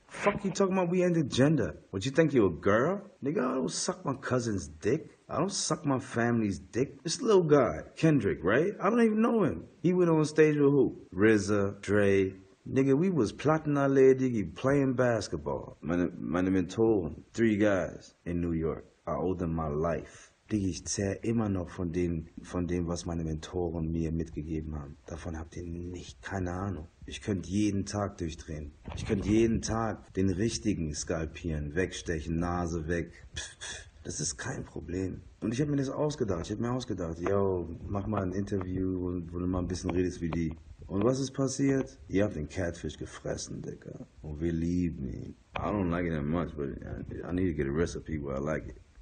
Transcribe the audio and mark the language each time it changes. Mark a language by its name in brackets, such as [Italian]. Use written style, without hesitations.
[English] Fuck you talking about we ended gender. What, you think you a girl? Nigga, I don't suck my cousin's dick. I don't suck my family's dick. This little guy, Kendrick, right? I don't even know him. He went on stage with who? RZA, Dre. Nigga, we was plotting our lady, playing basketball. Man, I been told three guys in New York. I owe them my life. [German] Digga, ich zähre immer noch von dem, was meine Mentoren mir mitgegeben haben. Davon habt ihr nicht, keine Ahnung. Ich könnte jeden Tag durchdrehen. Ich könnte jeden Tag den richtigen skalpieren, wegstechen, Nase weg. Pff, das ist kein Problem. Und ich habe mir das ausgedacht. Ich habe mir ausgedacht, yo, mach mal ein Interview, wo du mal ein bisschen redest wie die. Und was ist passiert? Ihr habt den Catfish gefressen, Digga. Und wir lieben ihn. [English] I don't like it that much, but I need to get a recipe where I like it.